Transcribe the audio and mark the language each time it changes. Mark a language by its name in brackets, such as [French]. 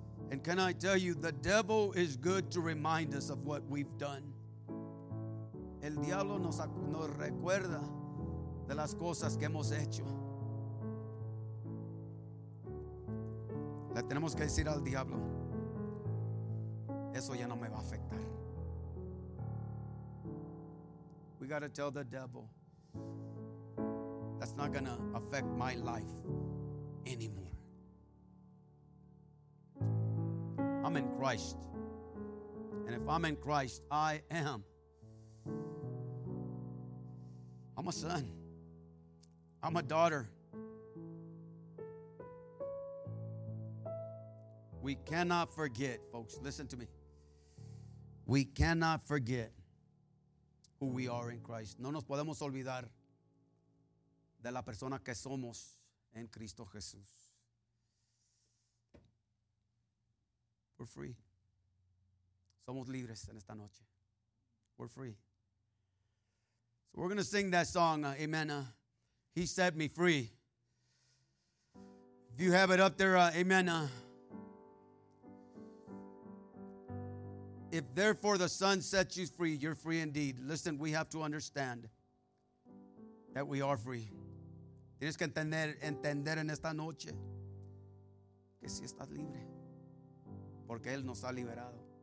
[English] And can I tell you, the devil is good to remind us of what we've done. [Spanish] El diablo nos recuerda de las cosas que hemos hecho. Le tenemos que decir al diablo, eso ya no me va a afectar. [English] We got to tell the devil, that's not going to affect my life anymore. I'm in Christ. And if I'm in Christ, I am. I'm a son. I'm a daughter. We cannot forget, folks, listen to me. We cannot forget who we are in Christ. [Spanish] No nos podemos olvidar de la persona que somos en Cristo Jesús. [English] We're free. [Spanish] Somos libres en esta noche. We're free. [English] So we're going to sing that song, amen. He set me free. If you have it up there, amen. If therefore the Son sets you free, you're free indeed. Listen, we have to understand that we are free. [Spanish] Tienes que entender en esta noche que si estás libre, porque Él nos ha liberado.